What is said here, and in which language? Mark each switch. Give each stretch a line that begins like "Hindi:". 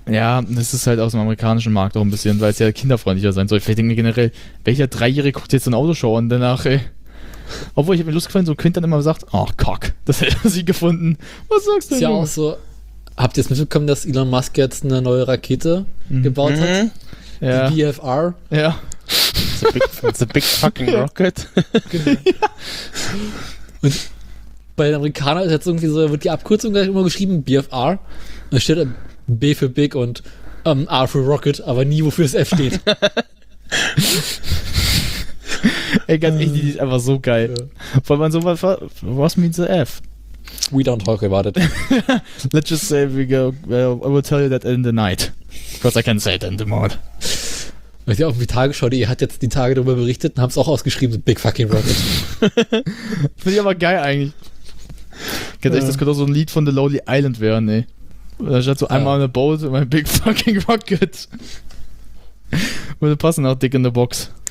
German: Ja, das ist halt aus dem amerikanischen Markt auch ein bisschen, weil es ja kinderfreundlicher sein soll. Ich denke mir generell, welcher Dreijährige guckt jetzt so ein Autoshow und danach, ey. Obwohl, ich habe mir Lust gefallen, so Quint dann immer sagt, ach, oh, Cock, das hätte er sie gefunden. Was sagst du denn? Ist ja auch so, habt ihr jetzt mitbekommen, dass Elon Musk jetzt eine neue Rakete gebaut hat? Ja. Die BFR? Ja.
English: It's a big fucking rocket.
German: Genau. Und bei den Amerikanern ist jetzt irgendwie so, wird die Abkürzung gleich immer geschrieben, BFR. Da steht B für Big und R für Rocket, aber nie wofür es F steht. Ey, ganz ehrlich, die ist einfach so geil. Weil man so was. Was
English: means the F? We don't talk about it. Let's just say we go. I will tell you that in the night. Because I can't say it in the morning.
German: Weil sie auch irgendwie Tagesschau.de hat jetzt die Tage darüber berichtet und haben es auch ausgeschrieben, so Big Fucking Rocket. Finde ich aber geil eigentlich. Ganz ehrlich, das könnte auch so ein Lied von The Lonely Island werden, ey. Da steht so einmal
English: in a boat
German: und mein Big Fucking Rocket. Würde passen auch
English: dick in the box.